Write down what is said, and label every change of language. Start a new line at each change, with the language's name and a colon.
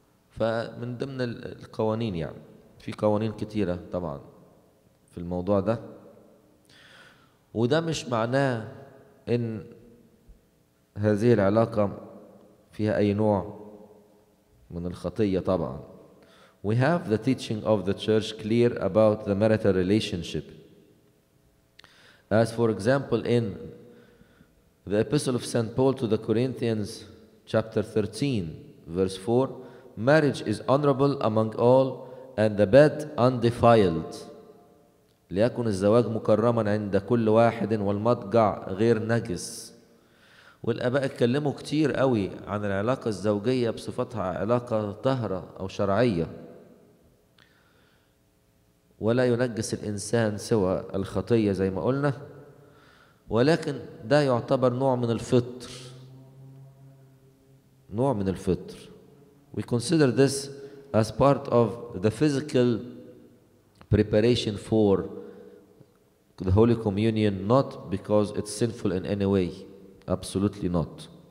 Arabic: فمن ضمن القوانين يعني في قوانين كتيرة طبعا في الموضوع ده، وده مش معناه إن هذه العلاقة فيها أي نوع من الخطية طبعا.
English: We have the teaching of the church clear about the marital relationship. As for example in the Epistle of St. Paul to the Corinthians chapter 13 verse 4, marriage is honorable among all and the bed undefiled.
Arabic: ليكن الزواج مكرما عند كل واحد والمضجع غير نجس. والأباء اتكلموا كتير قوي عن العلاقة الزوجية بصفتها علاقة طهرة أو شرعية، ولا ينجس الإنسان سوى الخطية زي ما قلنا، ولكن ده يعتبر نوع من الفطر نوع من الفطر.
English: We consider this as part of the physical preparation for the Holy Communion, not because it's sinful in any way. Absolutely not.